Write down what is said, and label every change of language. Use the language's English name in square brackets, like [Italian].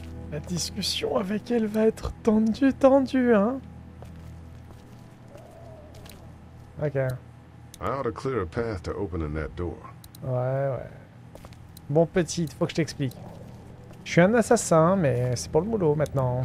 [French] La discussion avec elle va être tendue, tendue, hein? Ok. [English] I ought to clear a path to opening that door. [French] Ouais, ouais. Bon petit, faut que je t'explique. Je suis un assassin, mais c'est pour le boulot maintenant.